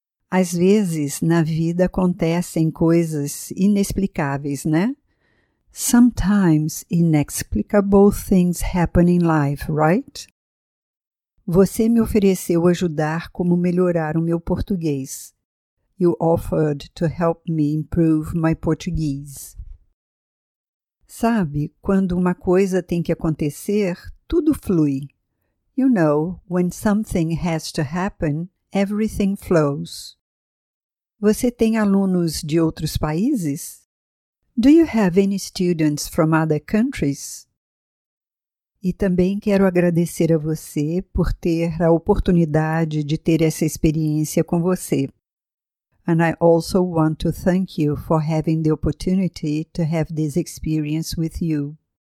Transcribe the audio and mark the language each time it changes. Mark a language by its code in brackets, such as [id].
[pt] Às vezes, na vida acontecem coisas inexplicáveis, né? [en] Sometimes inexplicable things happen in life, right? [pt] Você me ofereceu ajudar como melhorar o meu português. [en] You offered to help me improve my Portuguese. [pt] Sabe, quando uma coisa tem que acontecer, tudo flui. [en] You know, when something has to happen, everything flows. [pt] Você tem alunos de outros países? [en] Do you have any students from other countries? [pt] E também quero agradecer a você por ter a oportunidade de ter essa experiência com você. [en] And I also want to thank you for having the opportunity to have this experience with you.